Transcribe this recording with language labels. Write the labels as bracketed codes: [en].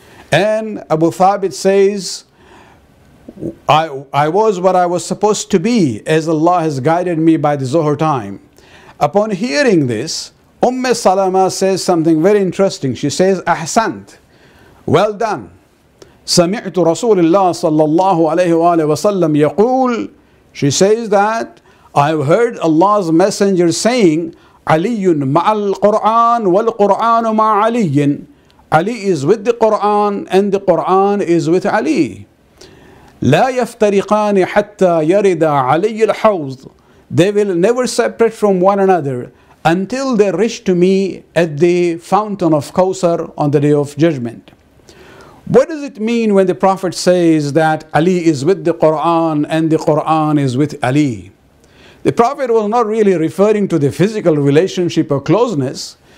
[en] And Abu Thabit says, I was what I was supposed to be, as Allah has guided me by the Zuhr time. Upon hearing this, Salama says something very interesting. She says, Ahsant, well done. [ar] سمعت رسول الله صلى الله عليه وآله وسلم يقول, [en] she says that I've heard Allah's messenger saying, [ar] علي مع القرآن والقرآن مع علي. [en] Ali is with the Quran and the Quran is with Ali. [ar] لا يفترقان حتى يرد علي الحوض. [en] They will never separate from one another until they reach to me at the fountain of Kawthar on the day of judgment. What does it mean when the Prophet says that Ali is with the Quran and the Quran is with Ali? The Prophet was not really referring to the physical relationship or closeness.